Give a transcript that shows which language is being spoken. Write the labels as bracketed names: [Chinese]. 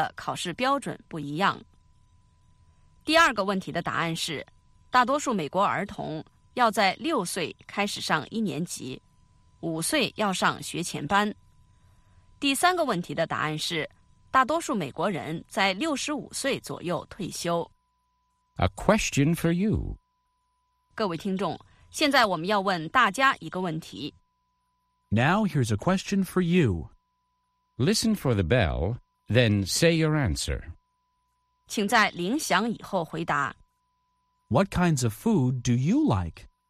[Chinese] 好，我们来谈谈这几个问题的答案。第一个问题的答案是，大多数美国人在16岁开始开车。实际上，美国法律规定必须满16岁才能获得驾驶执照。在美国考驾照，先要考笔试，也就是有关交通规则的考试。笔试通过之后，还要通过路考才能拿到驾驶执照。各个州的考试标准不一样。第二个问题的答案是，大多数美国儿童要在6岁开始上一年级，5岁要上学前班。第三个问题的答案是，大多数美国人在65岁左右退休。 [English] A question for you. [Chinese] 各位听众，现在我们要问大家一个问题。Now [English] here's a question for you. Listen for the bell, then say your answer. [Chinese] 请在铃响以后回答。What [English] kinds of food do you like?